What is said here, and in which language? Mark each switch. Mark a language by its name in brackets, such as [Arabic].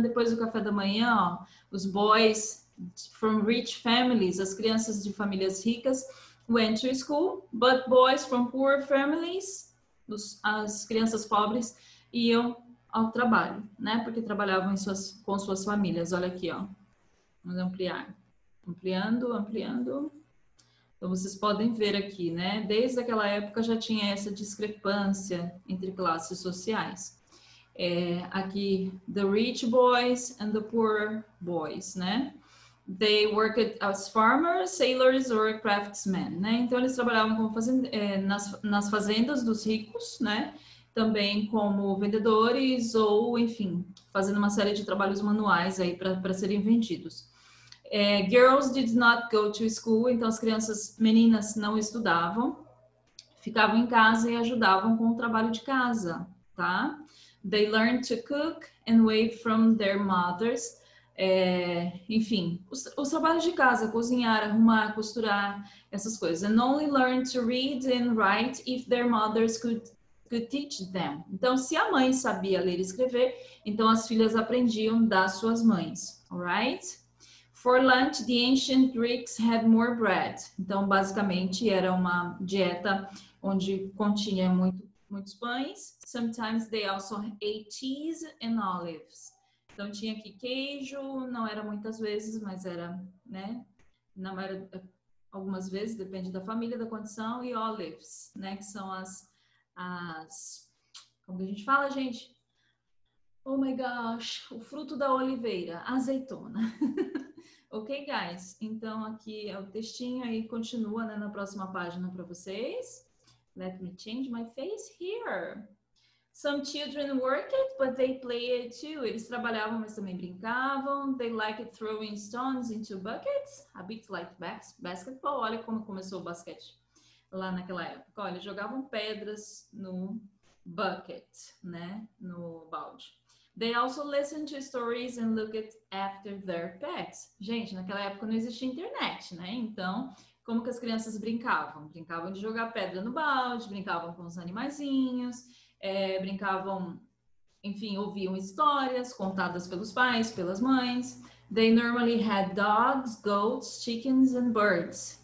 [Portuguese] Depois do café da manhã, ó, os [English] boys from rich families, [Portuguese] as crianças de famílias ricas, [English] went to school, but boys from poor families, [Portuguese] as crianças pobres, iam ao trabalho, né? Porque trabalhavam com suas famílias. Olha aqui, ó. Vamos ampliar. Ampliando, ampliando. Então vocês podem ver aqui, né? Desde aquela época já tinha essa discrepância entre classes sociais. [English] Aqui, the rich boys and the poor boys, né? They worked as farmers, sailors or craftsmen, né? [Portuguese] Então eles trabalhavam como nas fazendas dos ricos, né? Também como vendedores ou, enfim, fazendo uma série de trabalhos manuais aí para serem vendidos. [English] Girls did not go to school, [Portuguese] então as crianças, meninas, não estudavam. ficavam em casa e ajudavam com o trabalho de casa, tá? [English] They learned to cook and wait from their mothers. [Portuguese] É, enfim, os trabalhos de casa, cozinhar, arrumar, costurar, essas coisas. [English] And only learned to read and write if their mothers could teach them. [Portuguese] Então, se a mãe sabia ler e escrever, então as filhas aprendiam das suas mães. [English] All right? For lunch, the ancient Greeks had more bread. [Portuguese] Então, basicamente, era uma dieta onde continha muitos pães. [English] Sometimes they also ate cheese and olives. [Portuguese] Então, tinha aqui queijo, não era muitas vezes, mas era, né? Não era algumas vezes, depende da família, da condição. E olives, né? Que são as como a gente fala, gente? [English] Oh my gosh, [Portuguese] o fruto da oliveira, azeitona. [English] Ok, guys? [Portuguese] Então, aqui é o textinho aí, continua, né, na próxima página para vocês. [English] Let me change my face here. Some children worked, but they played too. [Portuguese] Eles trabalhavam, mas também brincavam. [English] They liked throwing stones into buckets. A bit like basketball. [Portuguese] Olha como começou o basquete lá naquela época. Olha, jogavam pedras no bucket, né? No balde. [English] They also listened to stories and looked after their pets. [Portuguese] Gente, naquela época não existia internet, né? Então, como que as crianças brincavam? Brincavam de jogar pedra no balde, brincavam com os animaizinhos. É, brincavam, enfim, ouviam histórias contadas pelos pais, pelas mães. [English] They normally had dogs, goats, chickens and birds.